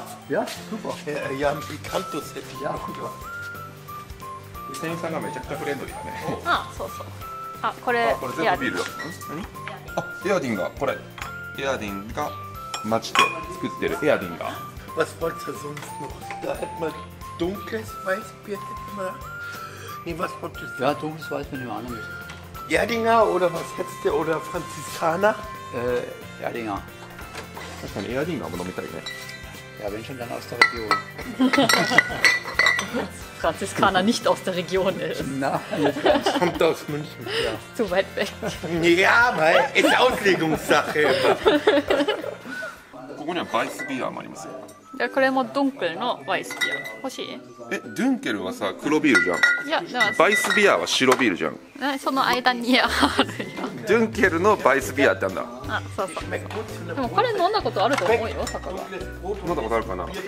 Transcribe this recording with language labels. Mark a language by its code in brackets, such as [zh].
[ja] や、 super。いや、ピカントセピア。店員さんがめちゃくちゃフレンドリーだね。あ、そうそう。あ、これ、これ全部ビールだ。あ、エアディンガー、これエアディンガー町で作ってるエアディンガー。 [de] Was wollt ihr sonst noch? Da hat man dunkles Weißbier hätte man... Nee, was wollt ihr sagen? Ja, dunkles Weißbier nehmen wir auch nicht. Erdinger oder was hättest du? Oder Franziskaner? Erdinger. Das ist ein Erdinger, aber noch mit Erdinger. Ja, wenn schon, dann aus der Region. Franziskaner nicht aus der Region ist. Nein, kommt aus München. Ja. Zu weit weg. Ja, aber ist Auslegungssache. Hier ist Weißbier, meine ich. [ja] Ja, これもドゥンクルのワイスビア欲しい。え、ドゥンクルはさ黒ビールじゃん。いや、でもバイスビアは白ビールじゃん。その間にあるよ。ドゥンクルのバイスビアってあんだ。あ、そうそう。でもこれ飲んだことあると思うよ、坂が。飲んだことあるかな。